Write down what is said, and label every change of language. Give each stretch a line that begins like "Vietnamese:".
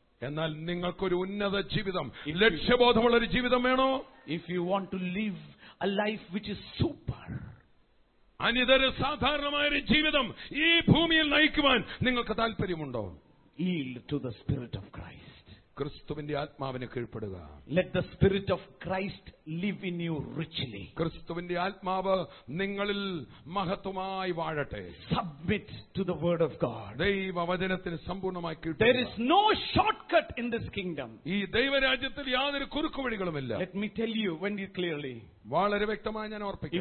Malayalam: എന്നാൽ നിങ്ങൾക്കൊരു ഉന്നത ജീവിതം, ലക്ഷ്യബോധമുള്ള ഒരു ജീവിതം വേണോ?
English: If you want to live a life which is super.
Malayalam: അനിതര സാധാരണമായ ഒരു ജീവിതം ഈ ഭൂമിയിൽ നയിക്കുവാൻ നിങ്ങൾക്ക് താല്പര്യമുണ്ടോ?
English: Yield to the Spirit of Christ.
Malayalam: ക്രിസ്തുവിന്റെ ആത്മാവിനെ കീഴ്പ്പെടുക.
English: Let the Spirit of Christ live in you richly.
Malayalam: ക്രിസ്തുവിന്റെ ആത്മാവ് നിങ്ങളിൽ മഹത്വമായി വാഴട്ടെ.
English: Submit to the Word of God.
Malayalam: ദൈവവചനത്തിന് സമ്പൂർണ്ണമായി കീഴ്പ്പെടുക.
English: There is no shortcut in this kingdom.
Malayalam: ഈ ദൈവരാജ്യത്തിൽ യാതൊരു കുറുക്കുവഴികളുമില്ല.
English: Let me tell you very clearly.
Malayalam: വളരെ വ്യക്തമായി ഞാൻ ഓർപ്പിക്കും.